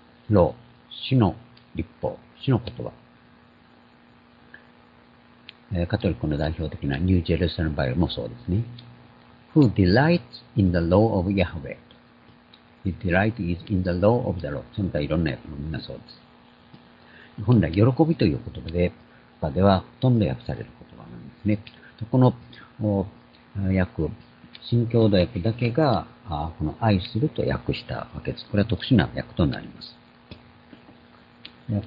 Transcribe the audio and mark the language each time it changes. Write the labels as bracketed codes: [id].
[ja] Law, 主の律法、主の言葉。カトリックの代表的なニュージェルサレムバイブルもそうですね。 [en] Who delights in the law of Yahweh. His delight is in the law of the Lord. [ja] その他いろんな訳もみんなそうです。本来、喜びという言葉で、他ではほとんど訳される言葉なんですね。この訳、新共同訳だけが、この愛すると訳したわけです。これは特殊な訳となります。